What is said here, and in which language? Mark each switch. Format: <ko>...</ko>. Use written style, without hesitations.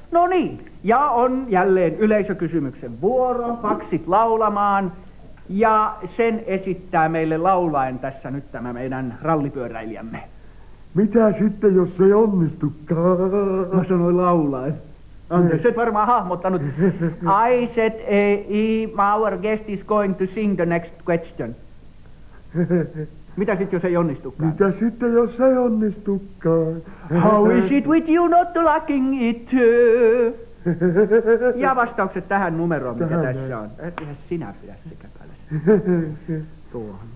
<fi>No niin, ja on jälleen yleisökysymyksen vuoro, faksit laulamaan, ja sen esittää meille laulaen tässä nyt tämä meidän rallipyöräilijämme. Mitä sitten, jos ei onnistukaan? Mä sanoin laulaen. Anteeksi, et varmaan hahmottanut.</fi> <en>I said, our guest is going to sing the next question.</en> <fi>Mitä sitten, jos ei onnistukaan? Mitä sitten, jos ei onnistukaan?</fi> <en>How is it with you not liking it?</en> <fi>Ja vastaukset tähän numeroon, mikä tähän tässä on. Eihän sinä pidä se käpälässä. Tuohon.</fi>